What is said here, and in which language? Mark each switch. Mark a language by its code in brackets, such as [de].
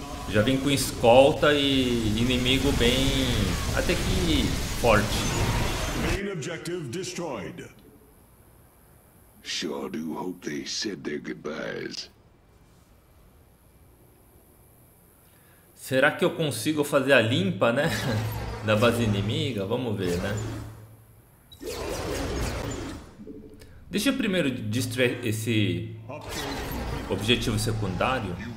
[pt] Já vim com escolta e inimigo bem... até que forte. [en] Main objective destroyed. Sure do hope they said their goodbyes. [pt] Será que eu consigo fazer a limpa, né? Da base inimiga? Vamos ver, né? Deixa eu primeiro destruir esse objetivo secundário.